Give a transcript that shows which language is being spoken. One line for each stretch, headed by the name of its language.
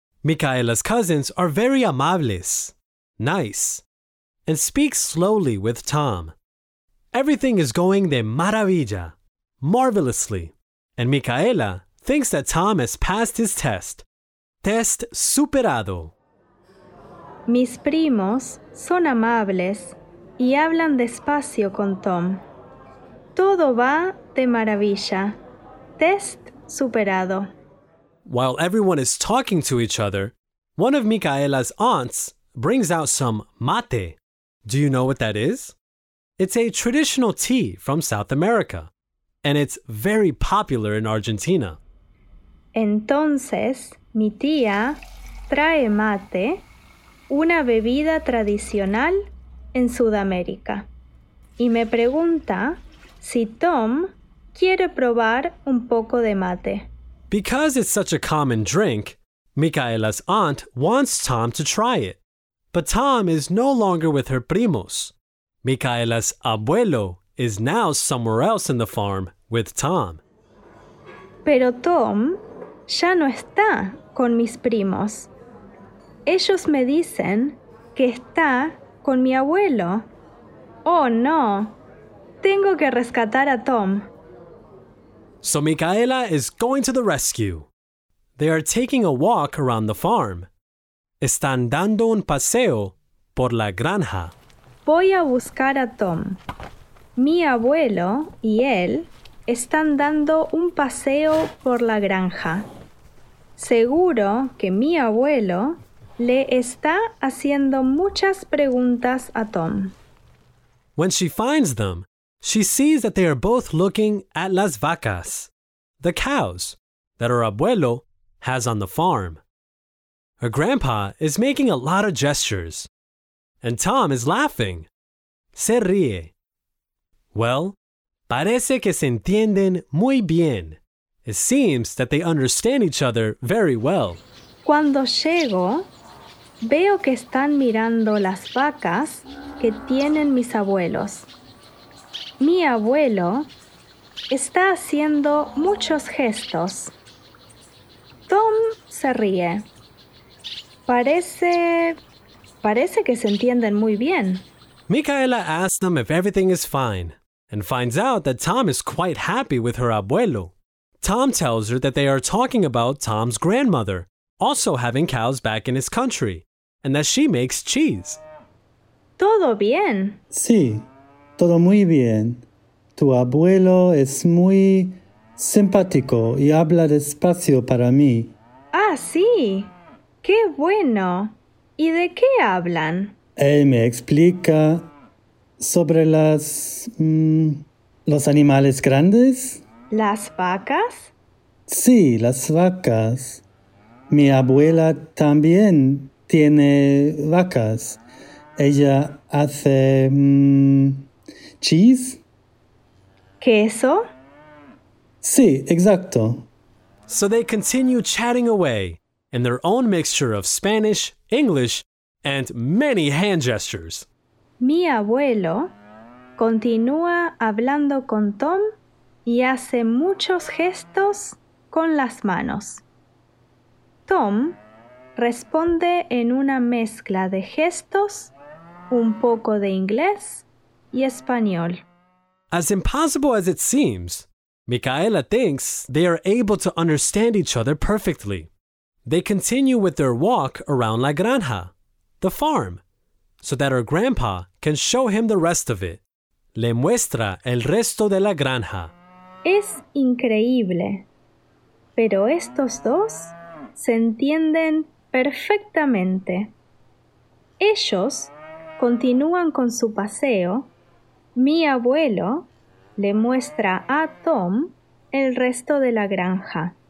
English: Micaela's cousins are very amables, nice, and speak slowly with Tom. Everything is going
Spanish: de maravilla,
English: marvelously, and Micaela thinks that Tom has passed his test.
Spanish: Test superado. Mis primos son amables y hablan despacio con Tom. Todo va de maravilla. Test superado.
English: While everyone is talking to each other, one of Micaela's aunts brings out some mate. Do you know what that is? It's a traditional tea from South America, and it's very popular in Argentina.
Spanish: Entonces, mi tía trae mate, una bebida tradicional en Sudamérica, y me pregunta si Tom quiere probar un poco de mate.
English: Because it's such a common drink, Micaela's aunt wants Tom to try it. But Tom is no longer with her primos. Micaela's abuelo is now somewhere else in the farm with Tom.
Spanish: Pero Tom ya no está con mis primos. Ellos me dicen que está con mi abuelo. Oh no, tengo que rescatar a Tom.
English: So Micaela is going to the rescue. They are taking a walk around the farm.
Spanish: Están dando un paseo por la granja. Voy a buscar a Tom. Mi abuelo y él están dando un paseo por la granja. Seguro que mi abuelo le está haciendo muchas preguntas a Tom.
English: When she finds them, she sees that they are both looking at
Spanish: las vacas,
English: the cows that her abuelo has on the farm. Her grandpa is making a lot of gestures, and Tom is laughing.
Spanish: Se ríe. Well, parece que se entienden muy bien.
English: It seems that they understand each other very well.
Spanish: Cuando llego, veo que están mirando las vacas que tienen mis abuelos. Mi abuelo está haciendo muchos gestos. Tom se ríe. Parece que se entienden muy bien.
English: Micaela asks them if everything is fine and finds out that Tom is quite happy with her abuelo. Tom tells her that they are talking about Tom's grandmother also having cows back in his country and that she makes cheese.
Spanish: Todo bien. Sí, todo muy bien. Tu abuelo es muy simpático y habla despacio para mí. Ah, sí. ¡Qué bueno! ¿Y de qué hablan? Él me explica sobre las... los animales grandes. ¿Las vacas? Sí, las vacas. Mi abuela también tiene vacas. Ella hace... cheese. ¿Queso? Sí, exacto.
English: So they continue chatting away in their own mixture of Spanish, English, and many hand gestures.
Spanish: Mi abuelo continúa hablando con Tom y hace muchos gestos con las manos. Tom responde en una mezcla de gestos, un poco de inglés y español.
English: As impossible as it seems, Micaela thinks they are able to understand each other perfectly. They continue with their walk around La Granja, the farm, so that her grandpa can show him the rest of it.
Spanish: Le muestra el resto de la granja. Es increíble, pero estos dos se entienden perfectamente. Ellos continúan con su paseo. Mi abuelo le muestra a Tom el resto de la granja.